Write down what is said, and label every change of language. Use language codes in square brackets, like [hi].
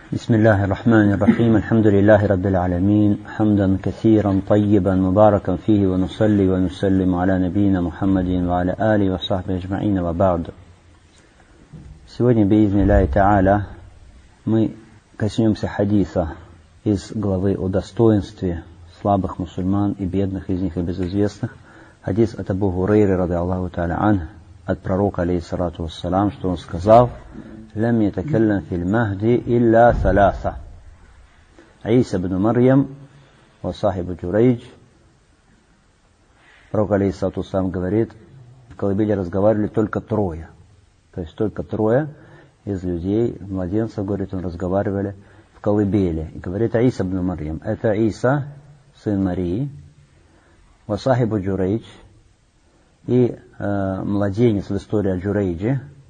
[ar] بسم الله الرحمن الرحيم الحمد لله رب العالمين حمدا كثيرا طيبا مباركا فيه ونصلي ونسلم على نبينا محمد وعلى آله وصحبه أجمعين وبعد. [ru] Сегодня [ar] بإذن الله تعالى [ru] мы коснемся حديثа из главы о достоинстве слабых мусульман и бедных из них и безызвестных. Хадис от Абу Хурейры رضي الله تعالى عنه от пророка عليه الصلاة والسلام, что он сказал: [ar] لم يتكلم في المهدي إلا ثلاثة, عيسى بن مريم وصاحب جريج. [ru] Пророк عليه الصلاة والسلام говорит, в колыбели разговаривали только трое, то есть только трое из людей, младенцев, говорит, он разговаривали в колыбели. И говорит عيسى بن مريم, это عيسى, сын Марии, وصاحب جريج, и младенец в истории о Джурейджи.